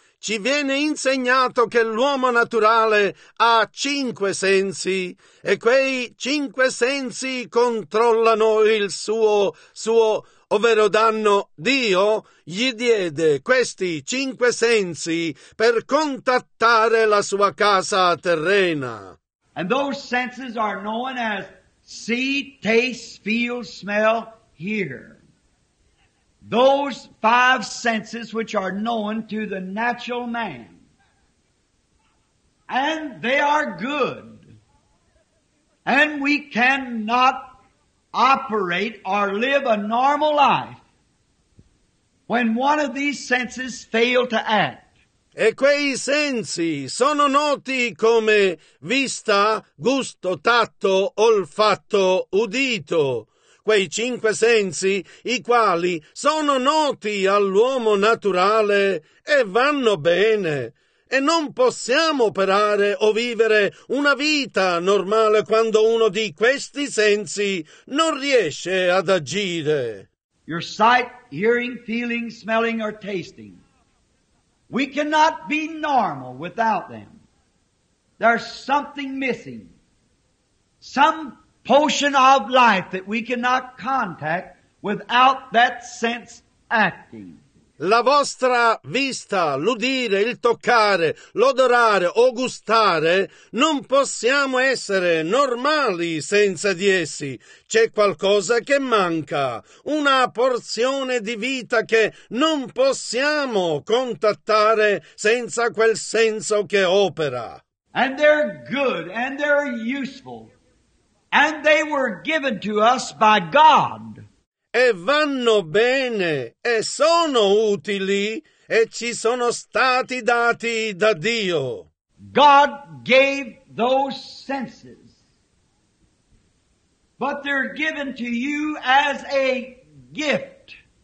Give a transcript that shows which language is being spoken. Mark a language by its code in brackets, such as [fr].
[it] Ci viene insegnato che l'uomo naturale ha cinque sensi e quei cinque sensi controllano il suo, ovvero danno Dio, gli diede questi cinque sensi per contattare la sua casa terrena. [en] And those senses are known as see, taste, feel, smell, hear. Those five senses which are known to the natural man. And they are good. And we cannot operate or live a normal life when one of these senses fail to act. [it] E quei sensi sono noti come vista, gusto, tatto, olfatto, udito. Quei cinque sensi, i quali sono noti all'uomo naturale e vanno bene. E non possiamo operare o vivere una vita normale quando uno di questi sensi non riesce ad agire. [en] Your sight, hearing, feeling, smelling or tasting. We cannot be normal without them. There's something missing. Some portion of life that we cannot contact without that sense acting. [it] La vostra vista, l'udire, il toccare, l'odorare o gustare, non possiamo essere normali senza di essi. C'è qualcosa che manca, una porzione di vita che non possiamo contattare senza quel senso che opera. [en] And they're good and they're useful. And they were given to us by God. [it] E vanno bene, e sono utili, e ci sono stati dati da Dio. [en] God gave those senses, but they're given to you as a gift.